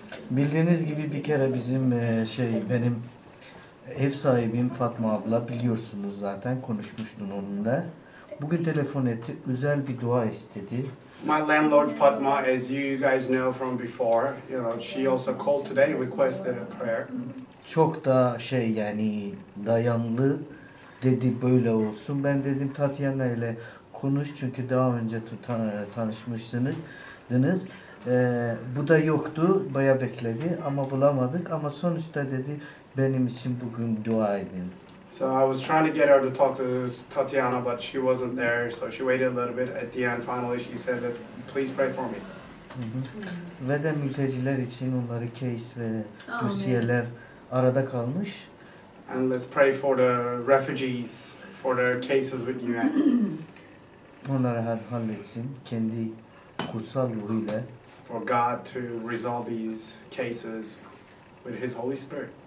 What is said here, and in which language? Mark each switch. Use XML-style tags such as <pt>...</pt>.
<tr>Bildiğiniz gibi bir kere bizim benim ev sahibim Fatma abla biliyorsunuz zaten konuşmuştun onunla. Bugün telefon etti, özel bir dua istedi.</tr> <en>My landlord Fatma, as you guys know from before, you know, she also called today, requested a prayer.</en> <tr>Çok da dayanlı dedi böyle olsun. Ben dedim Tatiana ile konuş çünkü daha önce tanışmışsınız. Bu da yoktu, bayağı bekledi ama bulamadık ama sonuçta dedi benim için bugün dua edin.</tr> <en>So I was trying to get her to talk to Tatiana but she wasn't there so she waited a little bit. At the end finally she said that please pray for me.</en> <tr>Ve de mülteciler için onları case ve dosyeler arada kalmış.</tr> <en>And let's pray for the refugees for their cases with you.</en> <tr>Onları halletsin kendi kutsal ruhuyla.</tr> <en>For God to resolve these cases with His Holy Spirit.</en>